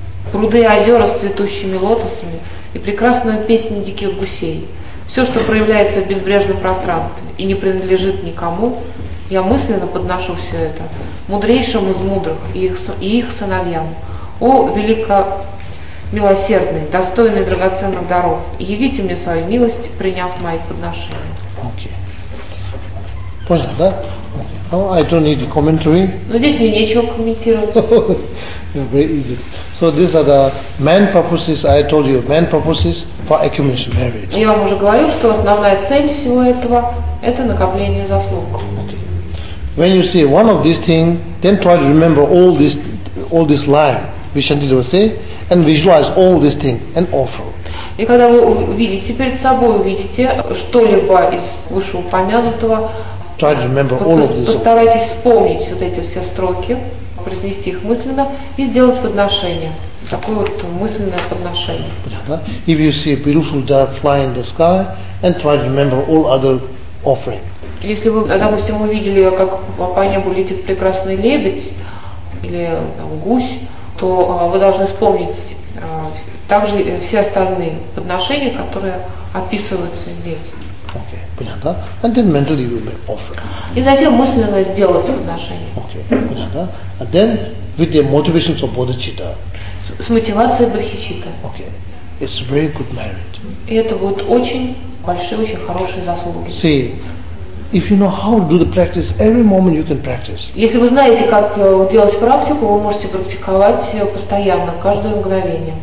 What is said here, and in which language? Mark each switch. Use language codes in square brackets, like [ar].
[ru] пруды и озера с цветущими лотосами и прекрасную песню диких гусей, все, что проявляется в безбрежном пространстве и не принадлежит никому, я мысленно подношу все это мудрейшим из мудрых и их сыновьям. О, великомилосердный, достойный драгоценных даров, явите мне свою милость, приняв мои подношения. [en] Okay. [ru] Понял, да? Okay. [en] Well, I don't need a commentary. [ru] Но здесь мне нечего комментировать. [en] Yeah, very easy. So these are the main purposes I told you, main purposes for accumulation merit. [ru] Я вам уже говорил, что основная цель всего этого – это накопление заслуг. [en] When you see one of these things, then try to remember all this line, Vishantidava say, and visualize all these things and offer. [ru] И когда вы видите перед собой, увидите что-либо из вышеупомянутого, [en] try to remember all of these. [ru] Постарайтесь вспомнить вот эти все строки, произнести их мысленно и сделать подношение. Такое вот мысленное подношение. [en] If you see a beautiful dove flying in the sky, and try to remember all other offerings. [ru] Если вы, допустим, увидели, как по небу летит прекрасный лебедь или там, гусь, то вы должны вспомнить также все остальные подношения, которые описываются здесь. Окей, понятно. [en] And then mentally you may offer. [ru] И затем мысленно сделать подношение. Окей, понятно. [en] And then with the motivations of bodhicitta. [ru] С мотивацией бодхичитты. [en] Окей. It's very good merit. [ru] И это будет очень большие, очень хорошие заслуги. [en] See. If you know how to do the practice, every moment you can practice. [ru] Если вы знаете, как делать практику, вы можете практиковать постоянно, каждое мгновение.